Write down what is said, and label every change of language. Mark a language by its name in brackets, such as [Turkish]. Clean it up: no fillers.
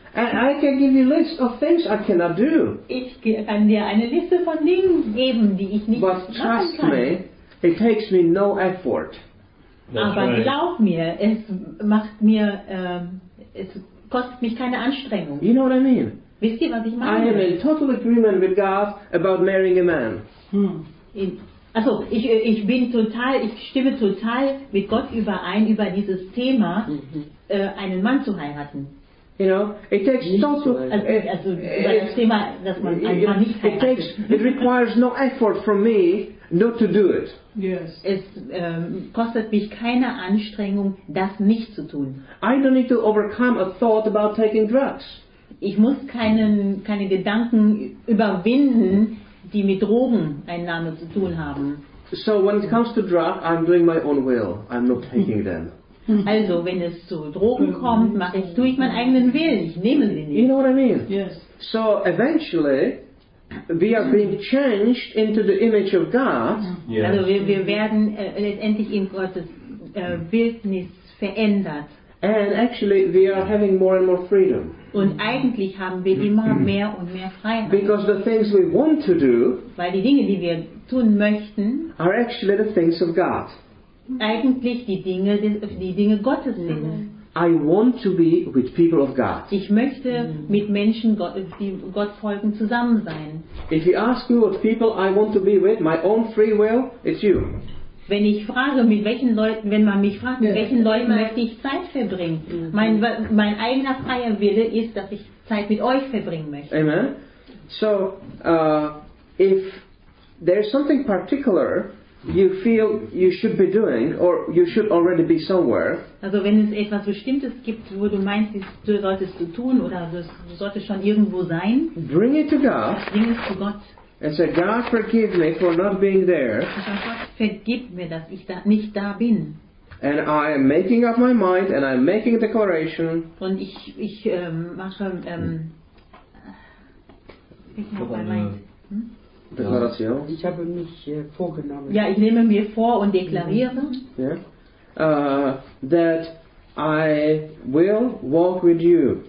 [English] And I can give you a list of things I cannot do. [German] Ich kann dir eine Liste von Dingen geben, die ich nicht machen kann. [English] But trust me, it takes me no effort. That's [German] aber [English] right. [German] Glaub mir, es macht mir, es kostet mich keine Anstrengung. [English] You know what I mean? [German] Wisst ihr, was ich meine? [English] I am in total agreement with God about marrying a man. [German] Also, ich stimme total mit Gott überein über dieses Thema, einen Mann zu heiraten. [English] You know, it takes [German] nicht total. [English] It requires no effort from me not to do it. Yes. [German] Es kostet mich keine Anstrengung, das nicht zu tun. [English] I don't need to overcome a thought about taking drugs. [German] Ich muss keine Gedanken überwinden, die mit Drogen Einnahme zu tun haben. [English] So when it comes to drugs, I'm doing my own will. I'm not taking them. [German] Also, wenn es zu Drogen kommt, tue ich meinen eigenen Willen. Ich nehme sie nicht. [English] You know what I mean? Yes. So eventually, we are being changed into the image of God. Yes. [German] Also wir werden letztendlich in Gottes Bildnis verändert. [English] And actually, we are having more and more freedom. [German] Und eigentlich haben wir immer mehr und mehr Freiheit. [English] Because the things we want to do, [German] weil die Dinge, die wir tun möchten, [English] are actually the things of God. [German] Eigentlich die Dinge Gottes sind. Mm-hmm. [English] I want to be with people of God. [German] Ich möchte mit Menschen, die Gott folgen, zusammen sein. [English] If you ask me what people I want to be with, my own free will, it's you. [German] Wenn ich frage, mit welchen Leuten, wenn man mich fragt, mit welchen Leuten möchte ich Zeit verbringen, mein eigener freier Wille ist, dass ich Zeit mit euch verbringen möchte. [English] Amen. So, if there is something particular you feel you should be doing, or you should already be somewhere. [German] Also, wenn es etwas Bestimmtes gibt, wo du meinst, du solltest tun, oder du solltest schon irgendwo sein. [English] Bring it to God. [German] Bring es zu Gott. [English] And say, God, forgive me for not being there. [German] Sag, Gott, vergib mir, dass ich da nicht da bin. [English] And I am making up my mind, and I'm making a declaration. [German] Und ich habe mich vorgenommen. Ja, ich nehme mir vor und deklariere. [English] That I will walk with you.